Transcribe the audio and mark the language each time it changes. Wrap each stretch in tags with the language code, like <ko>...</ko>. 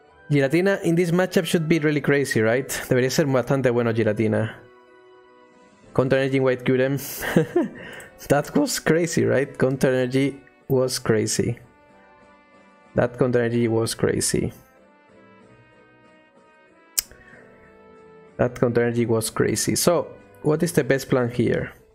<en>Giratina in this matchup should be really crazy, right?</en> <es>Debería ser bastante bueno Giratina.</es> <en>Counter energy white Kyurem. That was crazy, right? Counter energy was crazy. That counter energy was crazy. That counter energy was crazy. So, what is the best plan here?</en>